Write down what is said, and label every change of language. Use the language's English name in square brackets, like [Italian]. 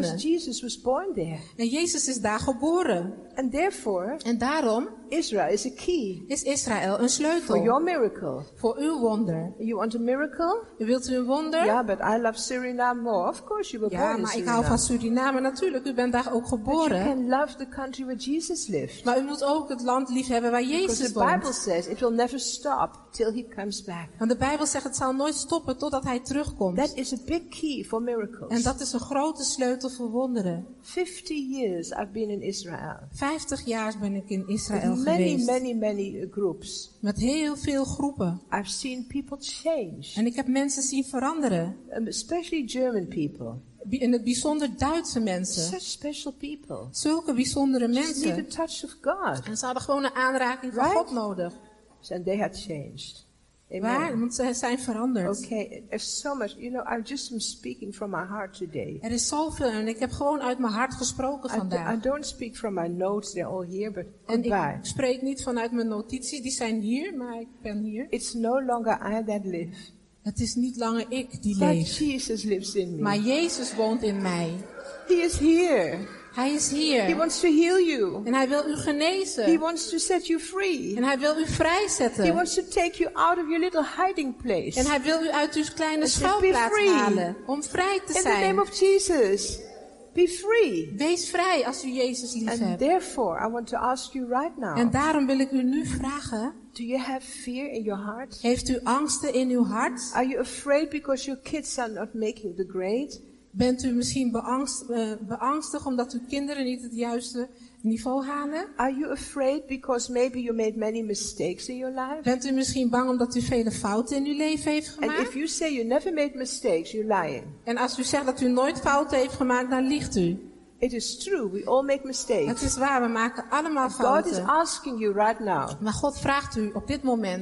[English] Because Jesus was born there. [Dutch] En Jezus is daar geboren. [English] And therefore, [Dutch] en daarom, [English] Israel is a key. [Dutch] Is Israël een sleutel [English] for your miracle. [Dutch] Voor uw wonder. [English] You want a miracle? [Dutch] U wilt een wonder? [English] Yeah, but I love Suriname more. Of course you were [Dutch] ja, [English] born in [Dutch] Suriname. Ja, maar ik hou van Suriname natuurlijk. U bent daar ook geboren. [English] But you can love the country where Jesus lived. [Dutch] Maar u moet ook het land liefhebben waar Jezus woont. [English] Because the Bible says it will never stop till He comes back. [Dutch] Want de Bijbel zegt het zal nooit stoppen totdat Hij terugkomt. [English] That is a big key for miracles. [Dutch] En dat is een grote sleutel voor wonderen. [English] 50 years I've been in Israel. [Dutch] 50 jaar ben ik in Israël [English] many, [Dutch] geweest. [English] Many groups. [Dutch] Met heel veel groepen. [English] I've seen people change. [Dutch] En ik heb mensen zien veranderen. [English] Especially German people. [Dutch] In het bijzonder Duitse mensen. [English] Such special people. [Dutch] Zulke bijzondere mensen. [English] Just need a touch of God. [Dutch] En ze hadden gewoon een aanraking [English] right? [Dutch] van God nodig. [English] And they had changed. [Dutch] Waar? Want ze zijn veranderd. [English] Okay, there's so much. You know, I'm just speaking from my heart today. [Dutch] Er is zoveel en ik heb gewoon uit mijn hart gesproken vandaag. [English] I don't speak from my notes. They're all here, but goodbye. [Dutch] En ik spreek niet vanuit mijn notities. Die zijn hier, maar ik ben hier. [English] It's no longer I that live. [Dutch] Het is niet langer ik die [English] but [Dutch] leef. [English] But Jesus lives in me. [Dutch] Maar Jezus woont in mij. [English] He is here. [Dutch] Hij is hier. [English] He wants to heal you. [Dutch] En hij wil u genezen. [English] He wants to set you free. [Dutch] En hij wil u vrijzetten. [English] He wants to take you out of your little hiding place. [Dutch] En hij wil u uit uw kleine schuilplaats halen om vrij te zijn. [English] In the name of Jesus. Be free. [Dutch] Wees vrij als u Jezus lief hebt. [English] And therefore I want to ask you right now. [Dutch] En daarom wil ik u nu vragen. [English] Do you have fear in your heart? [Dutch] Heeft u angsten in uw hart? [English] Are you afraid because your kids are not making the grade? [Dutch] Bent u misschien beangstigd omdat uw kinderen niet het juiste niveau halen? [English] Are you afraid because maybe you made many mistakes in your life? [Dutch] Bent u misschien bang omdat u vele fouten in uw leven heeft gemaakt? [English] And if you say you never made mistakes, you're lying. [Dutch] En als u zegt dat u nooit fouten heeft gemaakt, dan liegt u. [English] It is true, we all make mistakes. [Dutch] Het is waar, we maken allemaal fouten. [English] God is asking you right now. [Dutch] Maar God vraagt u op dit moment.